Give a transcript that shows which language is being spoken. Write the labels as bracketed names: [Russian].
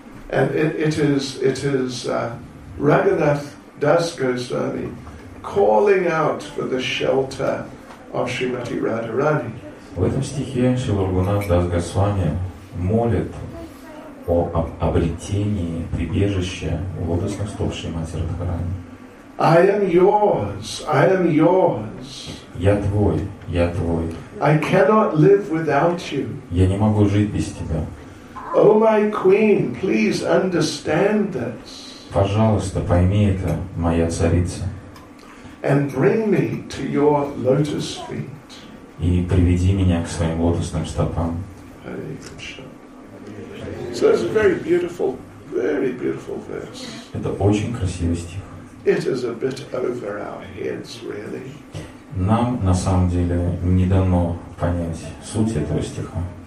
[English] And it is Raghunath Das Goswami calling out for the shelter of Srimati Radharani. [Russian] В этом стихе Шрила Рагунат Дас Госвами молит о обретении прибежища у лотосных стоп Шримати Радхарани. [English] I am yours. I am yours. [Russian] Я твой. Я твой. [English] I cannot live without you. [Russian] Я не могу жить без тебя. [English] Oh, my queen, please understand this. [Russian] Пожалуйста, пойми это, моя царица. [English] And bring me to your lotus feet. [Russian] И приведи меня к своим лотосным стопам. [English] So it's a very beautiful verse. [Russian] Это очень красивый стих. [English] It is a bit over our heads, really. [Russian] Нам на самом деле не дано понять суть этого стиха.